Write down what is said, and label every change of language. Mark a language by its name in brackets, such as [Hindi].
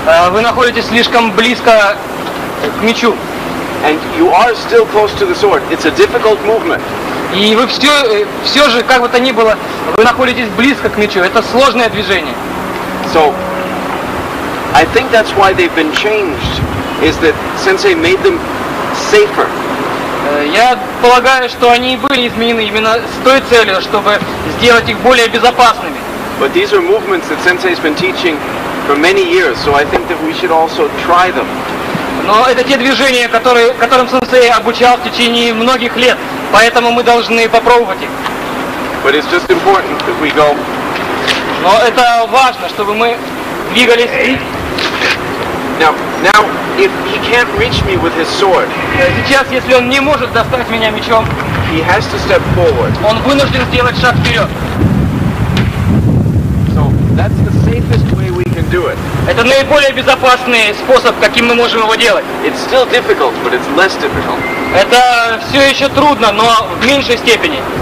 [Russian] Вы находитесь слишком близко к мечу. [English] And you are still close to the sword. It's a difficult movement. [Russian] И вы все же, как бы то ни было, вы находитесь близко к мечу. Это сложное движение. [English] So, I think that's why they've been changed, is that Sensei made them safer. [Russian] Я полагаю, что они и были изменены именно с той целью, чтобы сделать их более безопасными. [English] But these are movements that Sensei has been teaching for many years, so I think that we should also try them. [Russian] Но это те движения, которым Сенсей обучал в течение многих лет, поэтому мы должны попробовать их. [English] But it's just important that we go. [Russian] Но это важно, чтобы мы двигались. [English] Now, if he can't reach me with his sword, [Russian] сейчас, если он не может достать меня мечом, [English] he has to step forward. [Russian] Он вынужден сделать шаг вперед. [English] So that's the safest way we can do it. [Russian] Это наиболее безопасный способ, каким мы можем его делать. [English] It's still difficult, but it's less difficult. [Russian] Это все еще трудно, но в меньшей степени.